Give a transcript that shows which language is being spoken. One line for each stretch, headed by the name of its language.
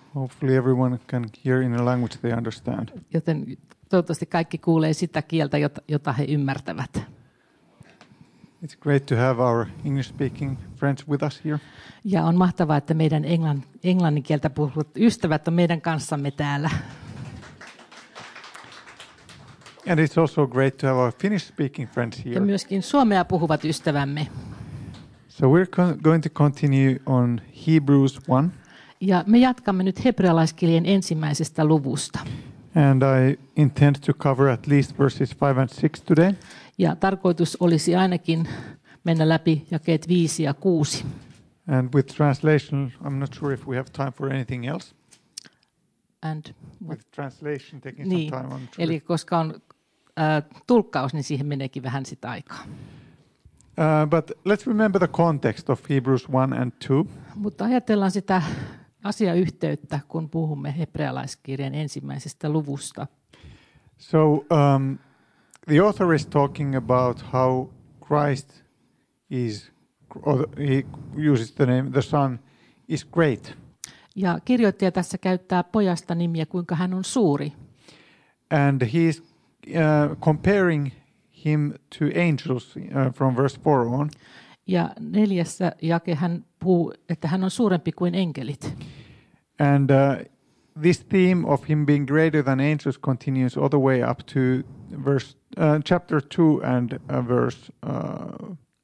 English: Hopefully everyone can hear in a language they understand.
Finnish: Joten toivottavasti kaikki kuulee sitä kieltä, jota he ymmärtävät.
English: It's great to have our English-speaking friends with us here.
Finnish: Ja on mahtavaa, että meidän englannin kieltä puhuvat ystävät on meidän kanssamme täällä.
English: And it's also great to have our Finnish-speaking friends here.
Finnish: Ja myöskin suomea puhuvat ystävämme.
English: So we're going to continue on Hebrews 1.
Finnish: Ja me jatkamme nyt hebrealaiskirjeen ensimmäisestä luvusta.
English: And I intend to cover at least verses 5 and 6 today.
Finnish: Ja tarkoitus olisi ainakin mennä läpi jakeet 5 ja 6.
English: And with translation, I'm not sure if we have time for anything else. And with translation taking some time, I'm not sure.
Finnish: Eli koska on tulkkaus, niin siihen meneekin vähän sitä aikaa.
English: But let's remember the context of Hebrews 1 and 2.
Finnish: Mutta ajatellaan sitä asiayhteyttä, kun puhumme hebrealaiskirjan ensimmäisestä luvusta.
English: So the author is talking about how Christ is, or he uses the name the Son, is great.
Finnish: Ja kirjoittaja tässä käyttää pojasta nimiä, kuinka hän on suuri.
English: And he is comparing him to angels from verse 4 on.
Finnish: Ja neljässä jake hän puhuu, että hän on suurempi kuin enkelit.
English: And this theme of him being greater than angels continues all the way up to chapter 2 and verse 4.